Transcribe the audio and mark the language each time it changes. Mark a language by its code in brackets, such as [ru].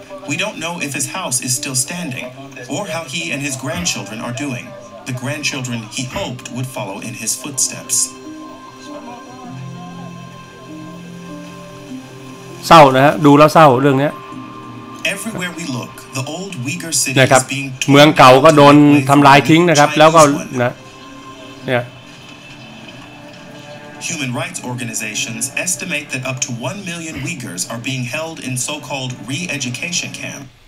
[en] We don't know if his house is still standing or how he and his grandchildren are doing the grandchildren he hoped would follow in his footsteps [th] เศร้านะฮะดูแล้วเศร้าเรื่องนี้ [en] Everywhere we look, the old Uyghur city [th] นะครับเมืองเก่าก็โดนทำลายทิ้งนะครับแล้วก็นะเนี่ย [en] Human rights organizations estimate that up to 1 million Uyghurs are being held in so-called re-education camp.